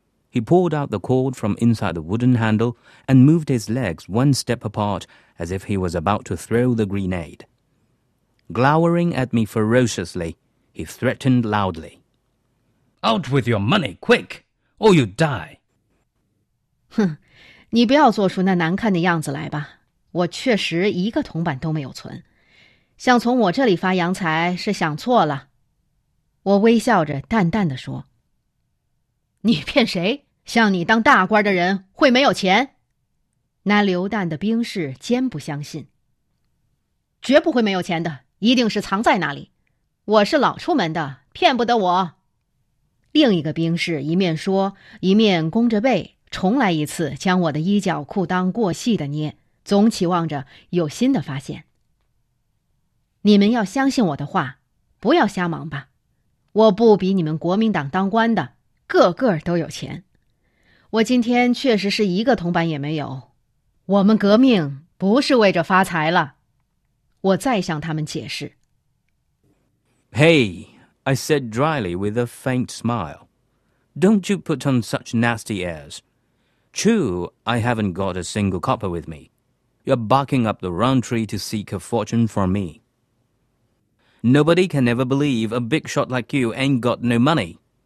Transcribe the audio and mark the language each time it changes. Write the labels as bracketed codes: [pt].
[en] He pulled out the cord from inside the wooden handle and moved his legs one step apart as if he was about to throw the grenade. Glowering at me ferociously, he threatened loudly. Out with your money, quick, or you die. Huh. [zh] 你不要做出那难看的样子来吧，我确实一个铜板都没有存，想从我这里发洋财是想错了。我微笑着淡淡地说。你骗谁？像你当大官的人会没有钱？拿榴弹的兵士坚不相信。绝不会没有钱的，一定是藏在哪里。我是老出门的，骗不得我。另一个兵士一面说一面弓着背重来一次，将我的衣角裤裆过细地捏，总期望着有新的发现。你们要相信我的话，不要瞎忙吧。我不比你们国民党当官的，个个都有钱。我今天确实是一个铜板也没有。我们革命不是为着发财了。我再向他们解释。 [en] Hey, I said dryly with a faint smile. Don't you put on such nasty airs. True, I haven't got a single copper with me. You're barking up the wrong tree to seek a fortune from me. Nobody can ever believe a big shot like you ain't got no money.